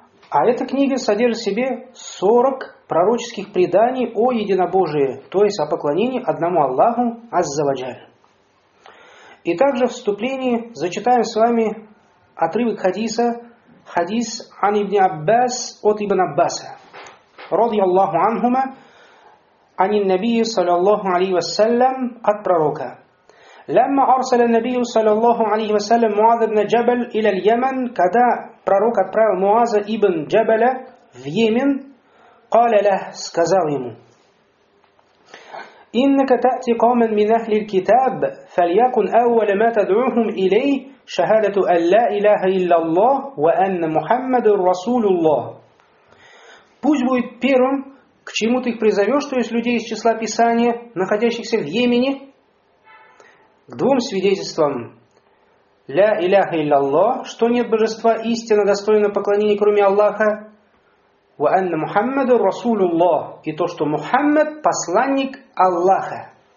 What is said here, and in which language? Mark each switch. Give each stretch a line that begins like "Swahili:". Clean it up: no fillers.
Russian: А эта книга содержит в себе 40 пророческих преданий о единобожии, то есть о поклонении одному Аллаху Аззаваджаль. И также в вступлении зачитаем с вами отрывок хадиса, хадис ан ибн Аббас от ибн Аббаса.
Arabic: Ради Аллаху анхума, ан ин-набий саллаллаху алейхи вассалям,
Russian: от пророка.
Arabic: لما أرسل النبي صلى الله عليه وسلم معاذ بن جبل إلى اليمن
Russian: когда пророк отправил Муаза ибн Джабаля в Йемен
Arabic: قال له
Russian: сказал ему
Arabic: إنك تأتي قوما من أهل الكتاب فليكن أول ما تدعوهم إليه شهادة أن لا إله إلا الله وأن محمد رسول الله.
Russian: Пусть будет первым, к чему ты их призовешь, то есть людей из числа Писания, находящихся в Йемене, к двум свидетельствам:
Arabic: «Ля иляха илляллах»,
Russian: что нет божества истинно достойного поклонения, кроме Аллаха,
Arabic: «Ва анна Мухаммаду Расулуллах»,
Russian: и то, что Мухаммад – посланник Аллаха.